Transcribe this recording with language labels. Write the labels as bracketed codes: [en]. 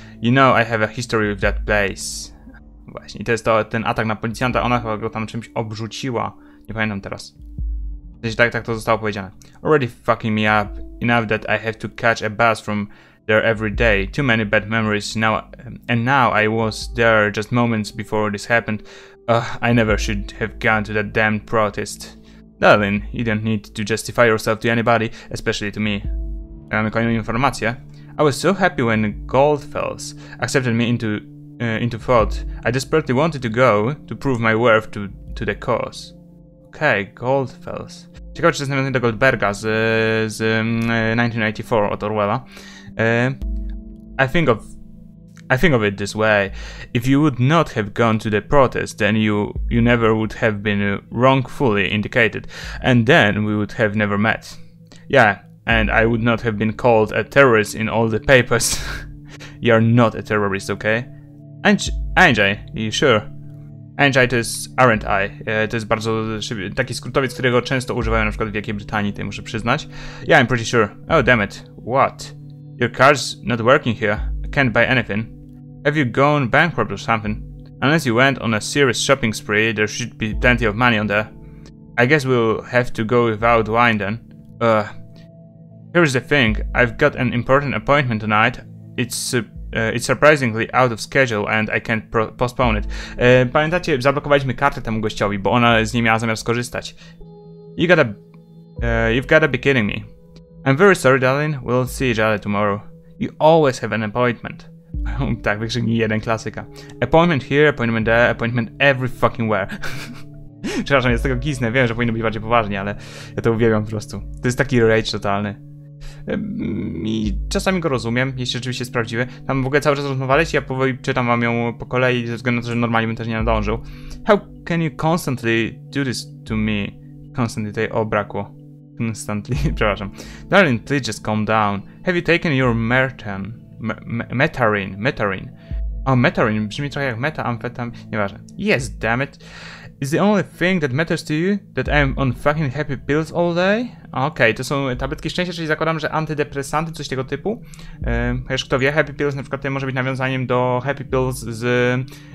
[en] You know I have a history with that place. [pl] Właśnie, to jest to, ten atak na policjanta, ona chyba go tam czymś obrzuciła. Nie pamiętam teraz. Tak to zostało powiedziane. [en] Already fucking me up. Enough that I have to catch a bus from there every day. Too many bad memories now. And now I was there just moments before this happened. I never should have gone to that damned protest. Darling, you don't need to justify yourself to anybody, especially to me. [pl] Mamy kolejną informację. [en] I was so happy when Goldfells accepted me into thought. I desperately wanted to go to prove my worth to the cause. [pl] Okej, okay, Goldfells. Ciekawe, czy to jest nawiązanie do Goldberga z 1984 od Orwella. [en] I think of it this way. If you would not have gone to the protest, then you never would have been wrongfully indicted, and then we would have never met. Yeah, and I would not have been called a terrorist in all the papers. You're not a terrorist, okay? Angie, you sure? Angie [pl] to jest, [en] aren't I? [pl] To jest bardzo taki skrótowiec, którego często używają na przykład w Wielkiej Brytanii, to muszę przyznać. [en] Yeah, I'm pretty sure. Oh, damn it. What? Your car's not working here. Can't buy anything. Have you gone bankrupt or something? Unless you went on a serious shopping spree, there should be plenty of money on there. I guess we'll have to go without wine then. Here's the thing. I've got an important appointment tonight. It's surprisingly out of schedule and I can't postpone it. [pl] Pamiętacie, zablokowaliśmy kartę temu gościowi, bo ona z niej miała zamiar skorzystać. [en] You've gotta be kidding me. I'm very sorry, darling. We'll see each other tomorrow. You always have an appointment. [pl] Tak, wykrzyknij jeden, klasyka. [en] Appointment here, appointment there, appointment every fucking where. [pl] Przepraszam, jest tego giznę, wiem, że powinno być bardziej poważnie, ale ja to uwielbiam po prostu. To jest taki rage totalny. I czasami go rozumiem, jeśli rzeczywiście sprawdziły. Tam w ogóle cały czas rozmawialiście, ja powoli czytam wam ją po kolei, ze względu na to, że normalnie bym też nie nadążył. [en] How can you constantly do this to me? [pl] Constantly tutaj, o, brakło. Constantly, przepraszam. [en] Darling, please just calm down. Have you taken your Mertan? [pl] Metarine. Oh, Metarine brzmi trochę jak metamfetam. Nieważne. [en] Yes, damn it. Is the only thing that matters to you that I'm on fucking happy pills all day? [pl] Okej, okay, to są tabletki szczęścia, czyli zakładam, że antydepresanty, coś tego typu. Wiesz, kto wie, happy pills na przykład to może być nawiązaniem do happy pills z...